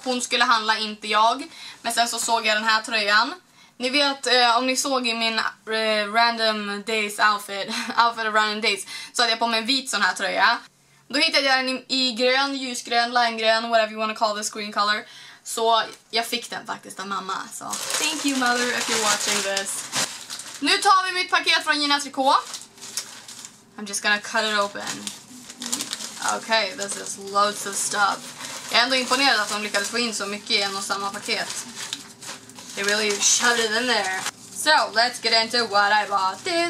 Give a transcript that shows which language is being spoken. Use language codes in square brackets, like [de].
[sv] Hon skulle handla, inte jag, men sen så såg jag den här tröjan. Ni vet, om ni såg i min random days outfit, outfit of random days, så hade jag på mig en vit sån här tröja. Då hittade jag den i grön, ljusgrön, limegrön, [en] whatever you want to call this green color. [sv] Så jag fick den faktiskt av mamma. [en] Så thank you mother if you're watching this. [sv] Nu tar vi mitt paket från Gina Tricot. [en] I'm just gonna cut it open. Okay, this is loads of stuff. [sv] Jag är ändå imponerad att de lyckades få in så mycket i en och samma paket. [en] They really shoved it in there. So let's get into what I bought.